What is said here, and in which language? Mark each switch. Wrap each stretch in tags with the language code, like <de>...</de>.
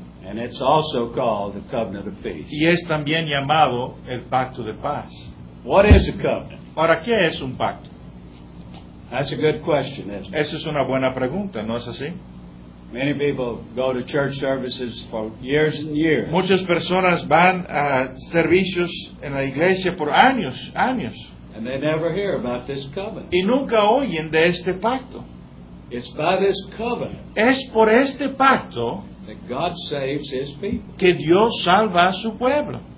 <en>And it's also called the covenant of peace.</en> <es>Y es también llamado el pacto de paz.</es> <en>What is a covenant?</en> <es>¿Para qué es un pacto?</es> <en>That's a good question, isn't it?</en> <es>Esa es una buena pregunta, ¿no es así?</es> <en>Many people go to church services for years and years.</en> <es>Muchas personas van a servicios en la iglesia por años, años.</es> <en>And they never hear about this covenant.</en> <es>Y nunca oyen de este pacto.</es> <en>It's by this covenant.</en> <es>Es por este pacto</es> <en>that God saves His people.</en> <es>Que Dios salva a su pueblo.</es>